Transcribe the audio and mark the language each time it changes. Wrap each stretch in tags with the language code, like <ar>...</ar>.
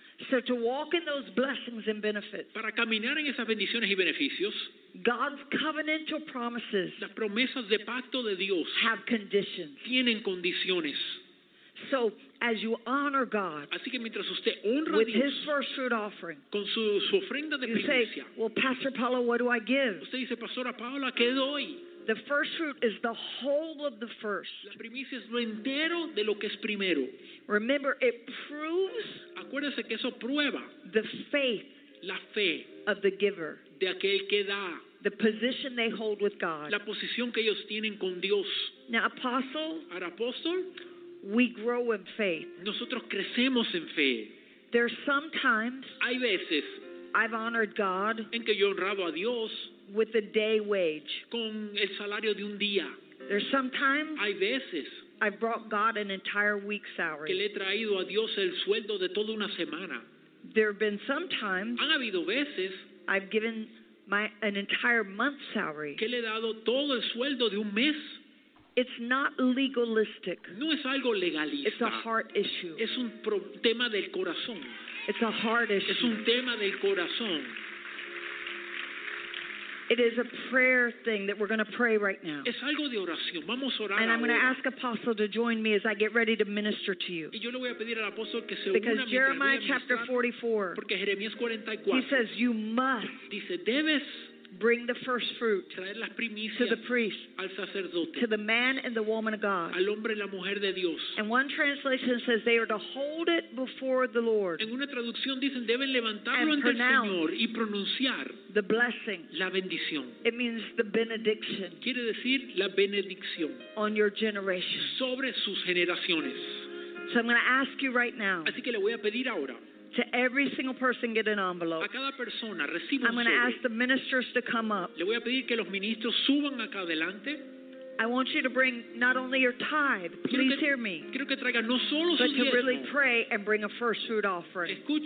<en>So to walk in those blessings and benefits.</en> <es>Para caminar en esas bendiciones y beneficios.</es> <en>God's covenantal promises.</en> <es>Las promesas de pacto de Dios.</es> <en>Have conditions.</en> <es>Tienen condiciones.</es> <en>So as you honor God,</en> <es>así que mientras usted honra</es> <en>with</en> <es>Dios,</es> <en>his first fruit offering,</en> <es>con su ofrenda de</es> <en>you</en> <es>primicia,</es> <en>say, well, Pastor Paula, what do I give?</en> <es>Usted dice, Pastora Paula, ¿qué doy?</es> <en>The first fruit is the whole of the first.</en> <es>La primicia es lo entero de lo que es primero.</es> <en>Remember, it proves,</en> <es>acuérdese que eso prueba,</es> <en>the faith,</en> <es>la fe,</es> <en>of the giver,</en> <es>de aquel que da,</es> <en>the position they hold with God,</en> <es>la posición que ellos tienen con Dios.</es> <en>Now, apostle,</en> <es>al apóstol,</es> <en>we grow in faith.</en> <es>Nosotros crecemos en fe.</es> <en>There are sometimes,</en> <es>hay veces,</es> <en>I've honored God,</en> <es>en que yo honrado a Dios,</es> <en>with a day wage,</en> <es>con el salario de un día.</es> <en>There are sometimes,</en> <es>hay veces,</es> <en>I've brought God an entire week's salary,</en> <es>que le he traído a Dios el sueldo de toda una semana.</es> <en>There have been sometimes,</en> <es>han habido veces,</es> <en>I've given an entire month's salary,</en> <es>que le he dado todo el sueldo de un mes.</es> <en>It's not legalistic.</en> <es>No es algo legalista.</es> <en>It's a heart issue.</en> <es>Es un tema del corazón.</es> <en>It's a heart issue.</en> <es>Es un tema del corazón.</es> <en>It is a prayer thing that we're going to pray right now.</en> <es>Es algo de oración. Vamos a orar.</es> <en>And I'm going to ask Apostle to join me as I get ready to minister to you.</en> <es>Y yo le voy a pedir al apóstol que se una.</es> <en>Because Jeremiah chapter 44.</en> <es>Porque Jeremías 44.</es> <en>He says you must.</en> <es>Dice debes.</es> <en>Bring the first fruit,</en> <es>traer las primicias,</es> <en>to the priest,</en> <es>al sacerdote,</es> <en>to the man and the woman of God,</en> <es>al hombre y la mujer de Dios.</es> <en>And one translation says they are to hold it before the Lord.</en> <es>En una traducción dicen deben levantarlo ante el Señor y pronunciar</es> <en>the blessing,</en> <es>la bendición.</es> <en>It means the benediction.</en> <es>Quiere decir la benedicción</es> <en>on your generation,</en> <es>sobre sus generaciones.</es> <en>So I'm going to ask you right now.</en> <es>Así que le voy a pedir ahora.</es> <en>to every single person get an envelope.</en> <es>A cada persona, reciba.</es> <en>I'm going to ask the ministers to come up.</en> <es>Le voy a pedir que los ministros suban acá adelante.</es> <en>I want you to bring not only your tithe, please hear me, but to really pray and bring a first fruit offering.</en>